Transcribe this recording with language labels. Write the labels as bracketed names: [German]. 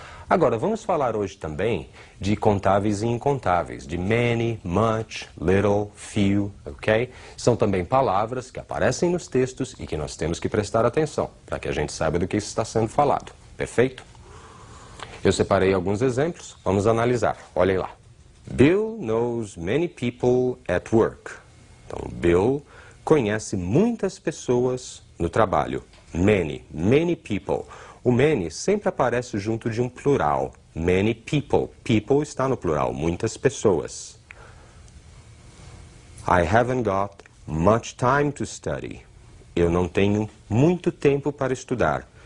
[Portuguese] Agora, vamos falar hoje também de contáveis e incontáveis, de many, much, little, few, ok? São também palavras que aparecem nos textos e que nós temos que prestar atenção, para que a gente saiba do que está sendo falado. Perfeito? Eu separei alguns exemplos, vamos analisar. Olhem lá. [English] Bill knows many people at work. [Portuguese] Então, [English] Bill [Portuguese] conhece muitas pessoas no trabalho. [English] Many, many people. [Portuguese] O many sempre aparece junto de um plural. [English] Many people. [Portuguese] People está no plural. Muitas pessoas. [English] I haven't got much time to study. [Portuguese] Eu não tenho muito tempo para estudar.